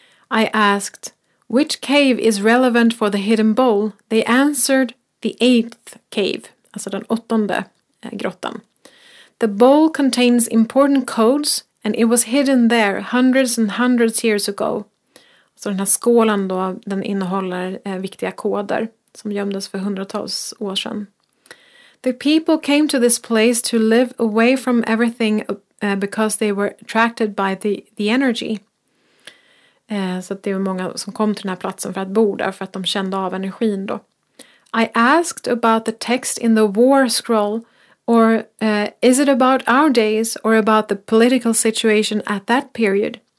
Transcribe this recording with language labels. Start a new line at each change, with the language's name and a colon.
English: I asked, which cave is relevant for the hidden bowl? They answered, the 8th cave,
Swedish: alltså den 8:e grottan.
English: The bowl contains important codes and it was hidden there hundreds and hundreds years ago.
Swedish: Så den här skålen då, den innehåller viktiga koder som gömdes för hundratals år sedan.
English: The people came to this place to live away from everything because they were attracted by the energy.
Swedish: Så att det var många som kom till den här platsen för att bo där, för att de kände av energin då.
English: I asked about the text in the war scroll, or is it about our days or about the political situation at that period?